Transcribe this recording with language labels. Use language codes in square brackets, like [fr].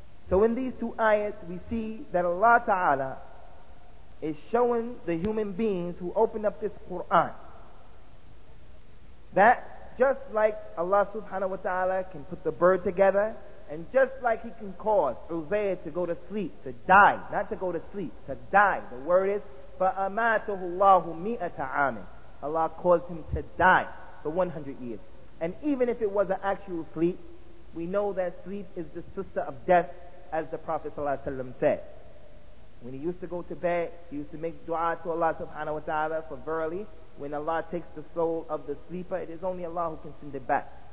[en] So in these two ayats, we see that Allah Ta'ala is showing the human beings who opened up this Quran that just like Allah subhanahu wa ta'ala can put the bird together, and just like he can cause Uzair to go to sleep, to die, not to go to sleep, to die. The word is, [ar] فَأَمَاتُهُ اللَّهُ مِئَةَ عَامٍ. [en] Allah caused him to die for 100 years. And even if it was an actual sleep, we know that sleep is the sister of death, as the Prophet sallallahu alaihi wasallam said. When he used to go to bed, he used to make dua to Allah subhanahu wa ta'ala, for verily, when Allah takes the soul of the sleeper, it is only Allah who can send it back.